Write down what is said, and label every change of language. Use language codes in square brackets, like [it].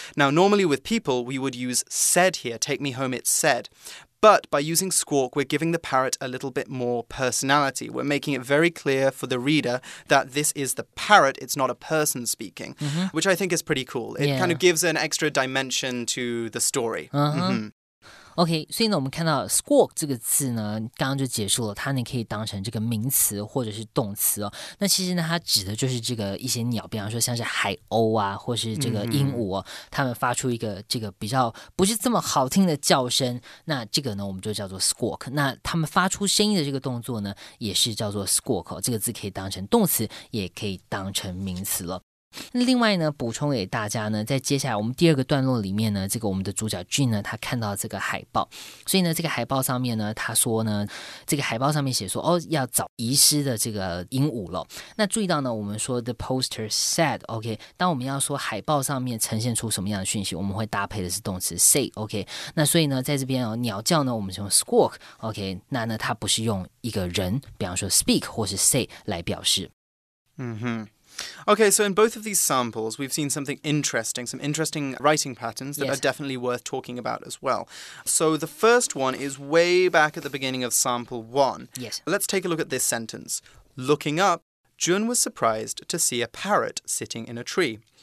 [en] Now, normally with people, we would use said here, take me home, it said. But by using squawk, we're giving the parrot a little bit more personality. We're making it very clear for the reader that this is the parrot, it's not a person speaking, which I think is pretty cool. It kind of gives an extra dimension to the story. [zh] OK, 所以呢我们看到 squawk 这个字呢刚刚就解释了它呢可以当成这个名词或者是动词哦。那其实呢它指的就是这个一些鸟比方说像是海鸥啊或是这个鹦鹉哦，它们发出一个这个比较不是这么好听的叫声那这个呢我们就叫做 squawk 那它们发出声音的这个动作呢也是叫做 squawk、哦、这个字可以当成动词也可以当成名词了另外呢补充给大家呢在接下来我们第二个段落里面呢这个我们的主角 Jean 呢他看到这个海报所以呢这个海报上面呢他说呢这个海报上面写说哦要找遗失的这个鹦鹉了那注意到呢我们说 [en] the poster said [zh] OK 当我们要说海报上面呈现出什么样的讯息我们会搭配的是动词 say OK 那所以呢在这边、哦、鸟叫呢我们用 squawk OK 那呢它不是用一个人比方说 speak 或是 say 来表示 [en] 嗯哼Okay, so in both of these samples, we've seen something interesting, some interesting writing patterns that are definitely worth talking about as well. So the first one is way back at the beginning of sample one. Yes. Let's take a look at this sentence. Looking up, Jun was surprised to see a parrot sitting in a tree.